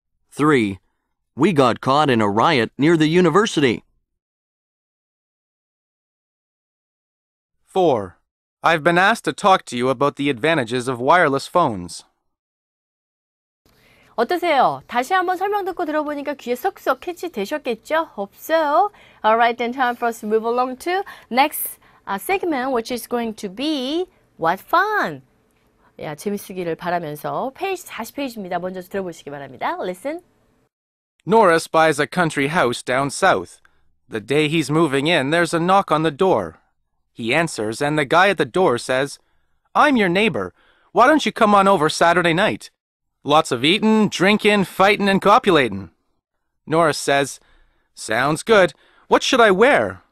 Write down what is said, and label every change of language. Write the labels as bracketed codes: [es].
[en] 3. We got caught in a riot near the university. 4. I've been asked to talk to you about the advantages of wireless phones. [ko] 어떠세요? 다시 한번 설명 듣고 들어보니까 귀에 쏙쏙 캐치 되셨겠죠? 없어요? [en] Alright, then time for us to move along to next segment, which is going to be What Fun? [ko] 야, 재밌으기를 바라면서 페이지 40페이지입니다. 먼저 들어보시기 바랍니다. [en] Listen. Norris buys a country house down south. The day he's moving in, there's a knock on the door. He answers, and the guy at the door says, "I'm your neighbor. Why don't you come on over Saturday night? Lots of eating, drinking, fighting, and copulating." Norris says, "Sounds good. What should I wear?"